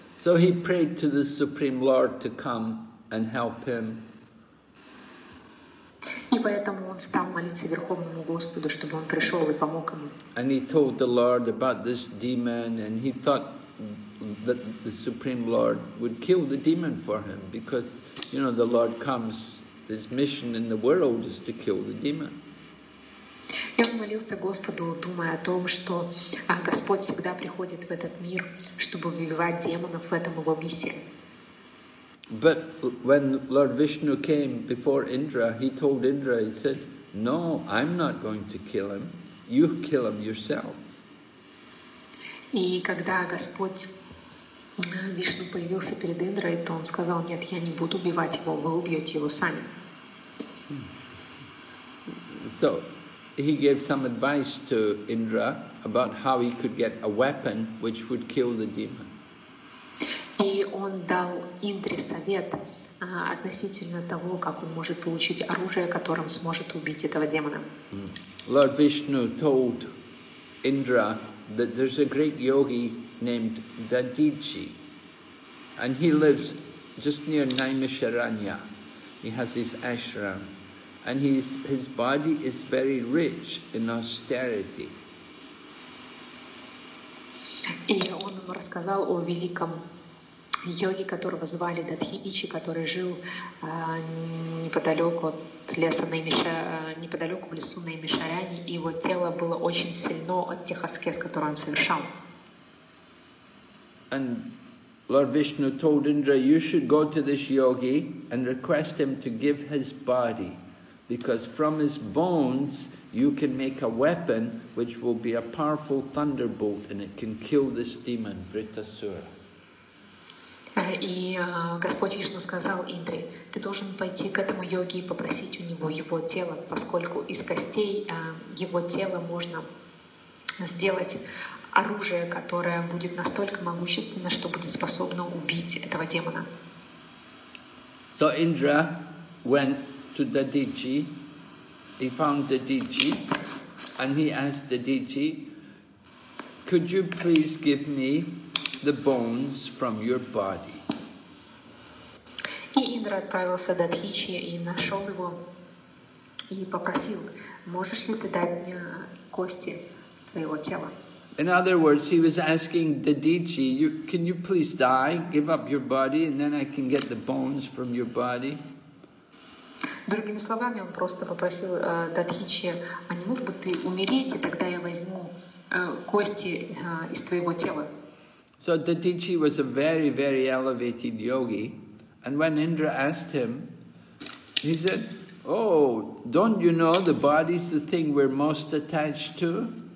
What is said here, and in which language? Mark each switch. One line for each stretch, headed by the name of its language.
English: So he prayed to the Supreme Lord to come and help him.
Russian: И поэтому он стал молиться Верховному Господу, чтобы он пришел и помог ему.
English: And he told the Lord about this demon, and he thought that the Supreme Lord would kill the demon for him, because, you know, the Lord comes, his mission in the world is to kill the demon.
Russian: И он молился Господу, думая о том, что Господь всегда приходит в этот мир, чтобы убивать демонов, в этом его миссия.
English: But when Lord Vishnu came before Indra, he told Indra, he said, no, I'm not going to kill him. You kill him yourself.
Russian: И когда Господь Вишну появился перед Индрой, то он сказал, нет, я не буду убивать его, вы убьете его сами.
English: So he gave some advice to Indra about how he could get a weapon which would kill the demon.
Russian: И он дал Индре совет относительно того, как он может получить оружие, которым сможет убить этого демона.
English: Lord Vishnu told Indra that there's a great yogi named Dadichi, and he lives just near Naimisharanya. He has his ashram, and his body is very rich in austerity.
Russian: И он ему рассказал о великом йоги, которого звали Дадхиичи, который жил неподалеку от леса неподалеку в лесу Наймишаряни, и его тело было очень сильно от тех аскез, которые он совершал.
English: And Lord Vishnu told Indra, you should go to this yogi and request him to give his body, because from his bones you can make a weapon which will be a powerful thunderbolt, and it can kill this demon Vritasura.
Russian: И Господь Вишну сказал Индре, ты должен пойти к этому йоге и попросить у него его тело, поскольку из костей его тела можно сделать оружие, которое будет настолько могущественно, что будет способно убить этого демона.
English: So Indra went to Dadichi, he found Dadichi, and he asked Dadichi, could you please give me the bones from your body?
Russian: И Индра отправился до Дадхичи и нашел его и попросил, можешь ли ты дать мне кости твоего тела?
English: In other words, he was asking Дадхичи, can you please die, give up your body, and then I can get the bones from your body?
Russian: Другими словами, он просто попросил Дадхичи, а не мог бы ты умереть, и тогда я возьму кости из твоего тела?
English: So Dadichi was a very, very elevated yogi, and when Indra asked him, he said, oh, don't you know the body is the thing we're most attached to?